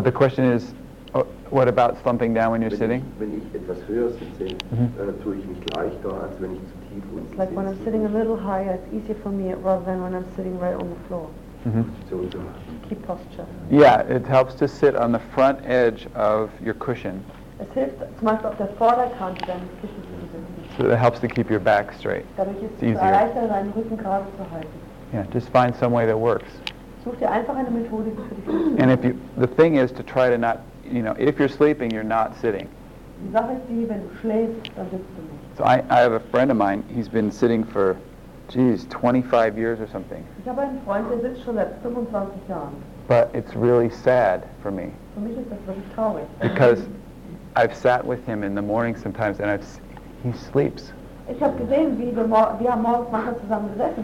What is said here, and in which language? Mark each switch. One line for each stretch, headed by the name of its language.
English: the question is, what about slumping down when you're sitting?
German: Wenn ich etwas höher sitze, tue ich mich leichter, als wenn ich zu tief unten sitze.
English: Like when I'm sitting a little higher, it's easier for me rather than when I'm sitting right on the floor. Mm-hmm. Keep posture. Yeah, it helps to sit on the front edge of your cushion.
German: Es hilft zum Beispiel auf der Vorderkante deines Kissens zu sitzen.
English: So it helps to keep your back straight.
German: Dadurch ist es leichter, deinen Rücken gerade zu halten.
English: Yeah, just find some way that works.
German: Such dir einfach eine Methode, die für dich funktioniert.
English: And if the thing is to try to not, if you're sleeping, you're not sitting.
German: Die Sache ist die, wenn du schläfst, dann sitzt du nicht.
English: So I have a friend of mine, he's been sitting for, 25 years or something.
German: Ich habe einen Freund, der sitzt schon seit 25 Jahren.
English: But it's really sad for me.
German: Für mich ist das wirklich traurig.
English: Because I've sat with him in the morning sometimes and he sleeps.
German: Ich habe gesehen, wie er morgens manchmal zusammen gesessen.